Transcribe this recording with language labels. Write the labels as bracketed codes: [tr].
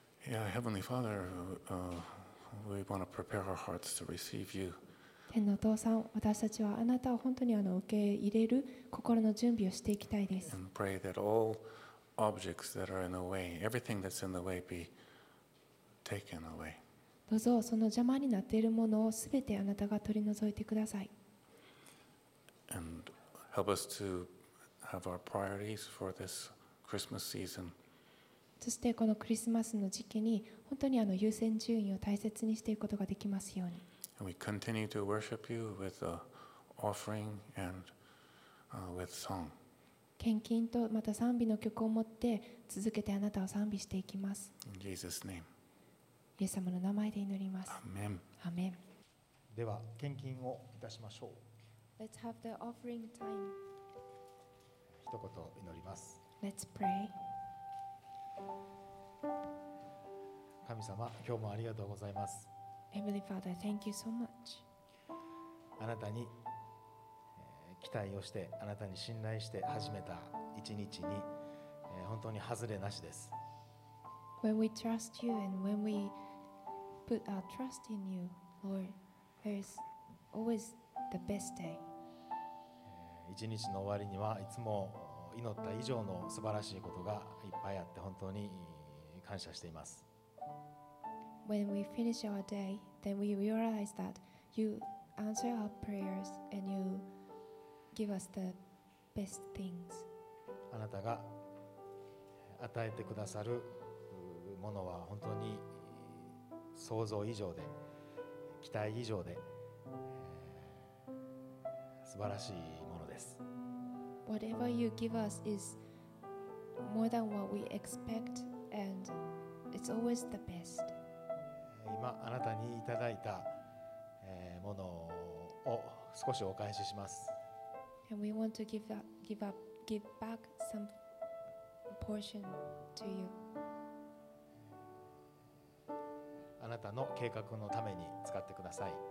[en] Yeah, Heavenly Father, we want to prepare our hearts to receive you. [ja] 天のお父さん、私たちはあなたを本当に受け入れる心の準備をしていきたいです。 [en] And pray that all objects that are in the way, everything that's in the way, be taken away. [ja] どうぞその邪魔になっているものをすべてあなたが取り除いてください。 [en] And help us to have our priorities for this Christmas season. [ja] そしてこのクリスマスの時期に本当に優先順位を大切にしていくことができますように。 [en] And we continue to worship you with an offering and with song. [ja] 献金とまた賛美の曲を持って続けてあなたを賛美していきます。 [en] In Jesus' name. [ja] イエス様の名前で祈ります。 [en] Amen. Amen. [ja] では献金をいたしましょう。 [en] Let's have the offering time. [ja] 一言祈ります。 [en] Let's pray. [ja] 神様、今日もありがとうございます。 [en] Heavenly Father, thank you so much. [ja] あなたに、期待をしてあなたに信頼して始めた一日に、本当にハズレなしです。 [en] When we trust you and when we put our trust in you, Lord, there is always the best day. [ja] 一日の終わりにはいつも祈った以上の素晴らしいことがいっぱいあって本当に感謝しています。 [en] When we finish our day, then we realize that you answer our prayers and you give us the best things. [ja] あなたが与えてくださるものは本当に想像以上で期待以上で、素晴らしいものです。 [en] Whatever you give us is more than what we expect and it's always the best. [ja] 今あなたにいただいた、ものを少しお返しします。 [en] And we want to give back some portion to you. [ja] あなたの計画のために使ってください。